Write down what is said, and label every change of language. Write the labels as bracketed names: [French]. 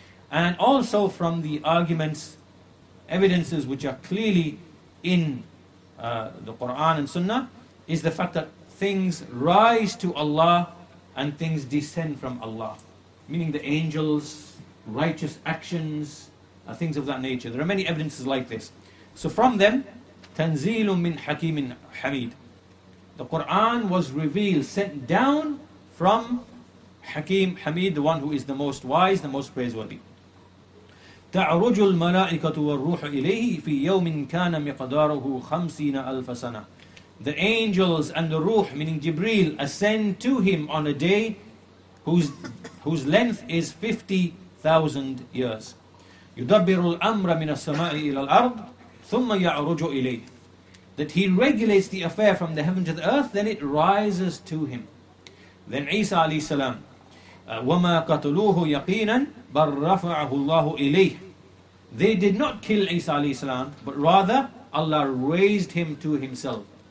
[English] And also from the arguments, evidences which are clearly in the Quran and Sunnah, is the fact that things rise to Allah and things descend from Allah, meaning the angels, righteous actions, things of that nature. There are many evidences like this. So from them, [Arabic] Tanzeelun min Hakimin Hamid. [English] The Quran was revealed, sent down from Hakim Hamid, the one who is the most wise, the most praiseworthy. [Arabic] تعرج الملائكة والروح إليه في يوم كان مقداره خمسين ألف سنة. [English] The angels and the ruh, meaning Jibreel, ascend to him on a day whose length is 50,000 years. [Arabic] يدبر الأمر من السماء إلى الأرض ثم يعرج إليه. [English] That he regulates the affair from the heaven to the earth, then it rises to him. [Arabic] Then Isa عليه السلام وما قتلوه يقينا بل رفعه الله إليه. [English] They did not kill Isa alayhi salam, but rather Allah raised him to himself.